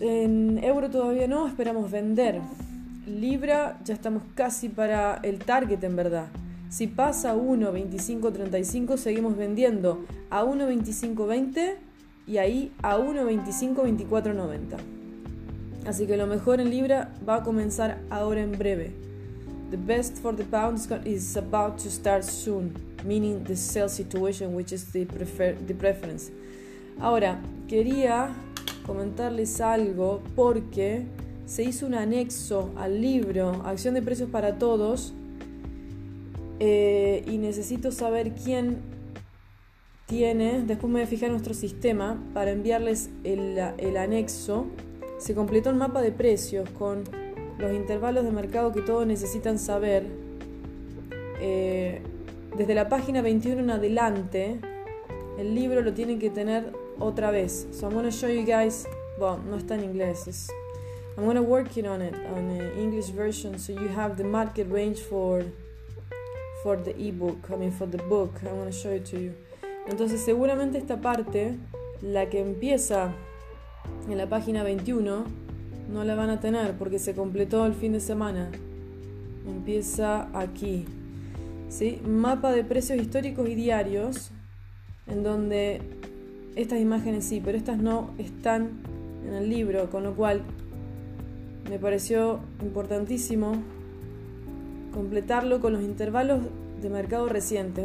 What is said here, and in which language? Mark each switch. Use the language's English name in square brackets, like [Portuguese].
[Spanish] En euro todavía no, esperamos vender. Libra, ya estamos casi para el target en verdad. Si pasa 1.2535, seguimos vendiendo a 1.2520 y ahí a 1.2524.90. Así que lo mejor en Libra va a comenzar ahora en breve. [English] The best for the pound is about to start soon, meaning the sell situation, which is the preference. [Spanish] Ahora, quería comentarles algo porque se hizo un anexo al libro Acción de Precios para Todos y necesito saber quién tiene, después me voy a fijar nuestro sistema para enviarles el anexo. Se completó el mapa de precios con los intervalos de mercado que todos necesitan saber. Desde la página 21 en adelante, el libro lo tienen que tener otra vez. [English] So I'm going to show you guys. Well, [Spanish] no está en inglés. [English] I'm going to work it on it, on the English version, so you have the market range for the ebook. I mean, for the book. I'm going to show it to you. [Spanish] Entonces, seguramente esta parte, la que empieza en la página 21, No la van a tener porque se completó el fin de semana. Empieza aquí. ¿Sí? Mapa de precios históricos y diarios, en donde estas imágenes sí, pero estas no están en el libro, con lo cual me pareció importantísimo completarlo con los intervalos de mercado recientes.